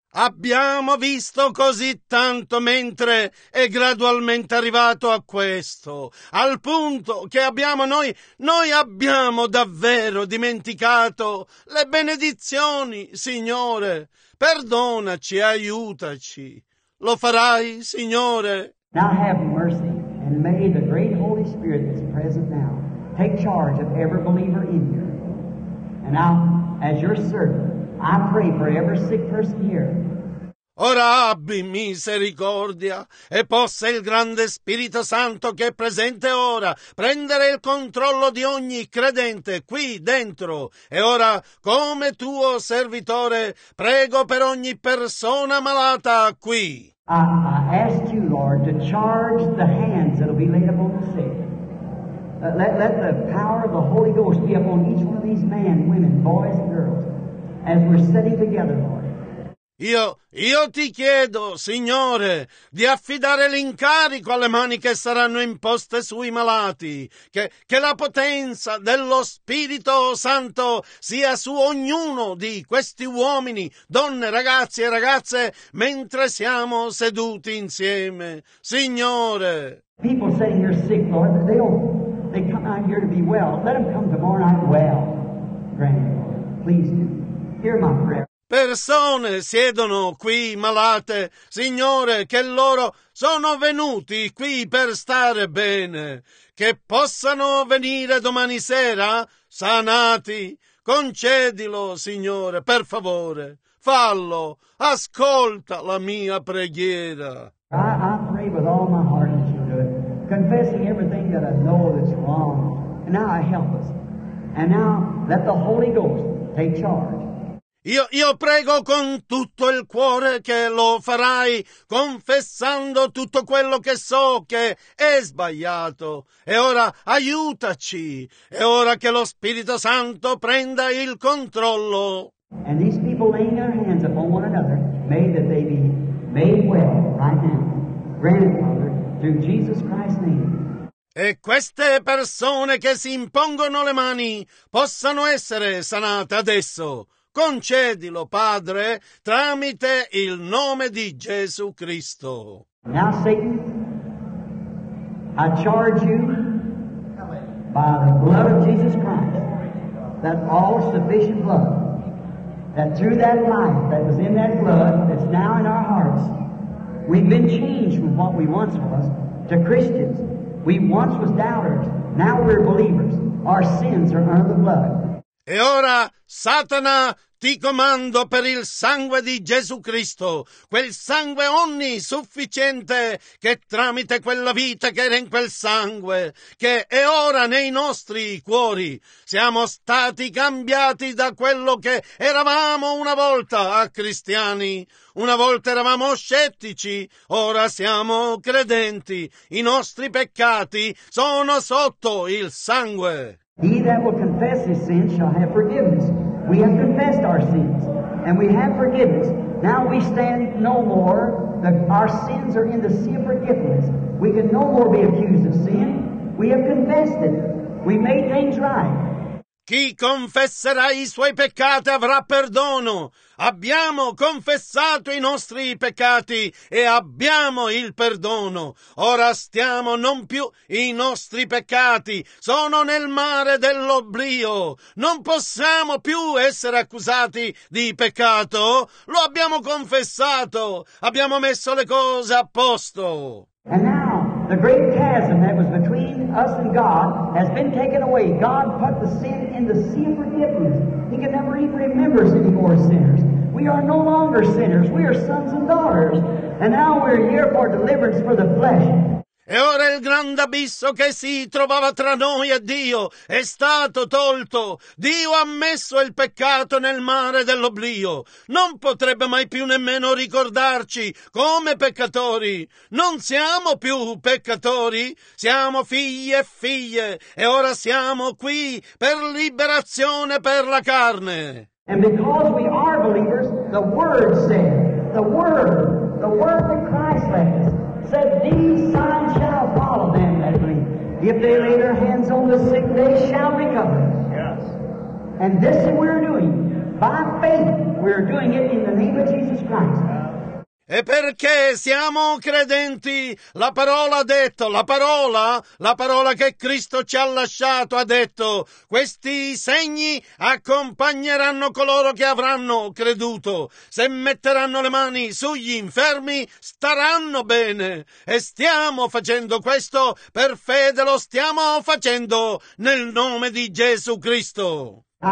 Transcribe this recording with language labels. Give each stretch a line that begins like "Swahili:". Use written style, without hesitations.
Italian: Abbiamo visto così tanto mentre è gradualmente arrivato a questo, al punto che abbiamo noi abbiamo davvero dimenticato le benedizioni, Signore. Perdonaci, aiutaci. Lo farai, Signore?
English: Now have mercy, and may the great Holy Spirit that's present now take charge of every believer in here. And now, as your servant, I pray for every sick person here.
Italian: Ora abbi misericordia e possa il grande Spirito Santo che è presente ora prendere il controllo di ogni credente qui dentro. E ora, come tuo servitore, prego per ogni persona malata qui.
English: I ask you, Lord, to charge the hands that will be laid upon the sick. Let the power of the Holy Ghost be upon each one of these men, women, boys and girls, as we're sitting together, Lord.
Italian: Io ti chiedo, Signore, di affidare l'incarico alle mani che saranno imposte sui malati, che la potenza dello Spirito Santo sia su ognuno di questi uomini, donne, ragazzi e ragazze, mentre siamo seduti insieme. Signore!
English: People sitting here sick, Lord, they come out here to be well. Let them come tomorrow night well. Grand Lord, please do. Hear my prayer.
Italian: Persone siedono qui malate, Signore, che loro sono venuti qui per stare bene, che possano venire domani sera sanati. Concedilo, Signore, per favore, fallo, ascolta la mia preghiera.
English: I pray with all my heart that you do it, confessing everything that I know that's wrong. And now I help us. And now let the Holy Ghost take charge.
Italian: Io prego con tutto il cuore che lo farai, confessando tutto quello che so che è sbagliato. E ora aiutaci, e ora che lo Spirito Santo prenda il controllo.
English: And these people laying their hands upon one another, may that they be made well right now. Grandfather, through Jesus Christ's name.
Italian: E queste persone che si impongono le mani possano essere sanate adesso. Concedilo, Padre, tramite il nome di Gesù Cristo.
English: Now Satan, I charge you by the blood of Jesus Christ, that all-sufficient blood, that through that life that was in that blood that's now in our hearts, we've been changed from what we once was to Christians. We once was doubters. Now we're believers. Our sins are under the blood.
Italian: E ora, Satana, ti comando per il sangue di Gesù Cristo, quel sangue onnisufficiente che tramite quella vita che era in quel sangue, che è ora nei nostri cuori, siamo stati cambiati da quello che eravamo una volta a cristiani. Una volta eravamo scettici, ora siamo credenti. I nostri peccati sono sotto il sangue.
English: He that will confess his sins shall have forgiveness. We have confessed our sins, and we have forgiveness. Now we stand no more. Our sins are in the sea of forgiveness. We can no more be accused of sin. We have confessed it. We made things right.
Italian: Chi confesserà i suoi peccati avrà perdono. Abbiamo confessato i nostri peccati e abbiamo il perdono. Ora stiamo non più i nostri peccati. Sono nel mare dell'oblio. Non possiamo più essere accusati di peccato. Lo abbiamo confessato. Abbiamo messo le cose a posto.
English: And now, the great chasm that was between us and God has been taken away. God put the sin in the sea of forgiveness. He can never even remember us anymore as sinners. We are no longer sinners. We are sons and daughters. And now we're here for deliverance for the flesh.
Italian: E ora il grande abisso che si trovava tra noi e Dio è stato tolto. Dio ha messo il peccato nel mare dell'oblio. Non potrebbe mai più nemmeno ricordarci come peccatori. Non siamo più peccatori, siamo figli e figlie. E ora siamo qui per liberazione per la carne.
English: And because we are believers, the Word said, the Word that Christ left us, said these signs shall follow them that believe. If they lay their hands on the sick, they shall recover. Yes. And this is what we're doing. By faith, we're doing it in the name of Jesus Christ.
Italian: E perché siamo credenti, la parola ha detto, la parola che Cristo ci ha lasciato ha detto, questi segni accompagneranno coloro che avranno creduto, se metteranno le mani sugli infermi staranno bene, e stiamo facendo questo per fede, lo stiamo facendo nel nome di Gesù Cristo.